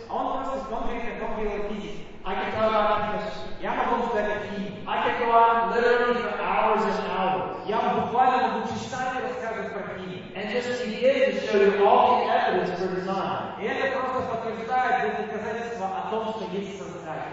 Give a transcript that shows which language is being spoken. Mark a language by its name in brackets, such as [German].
[Russian] Он просто смотрит, как он делает физику. [English] I can talk about chemistry. [Russian] Я могу сказать о химии. [English] I can go on literally for hours and hours. [Russian] Я буквально могу часами рассказывать про химию. [English] And just to be able to show you all the evidence for design. [Russian] И это просто подтверждает для доказательства о том, что есть создатель.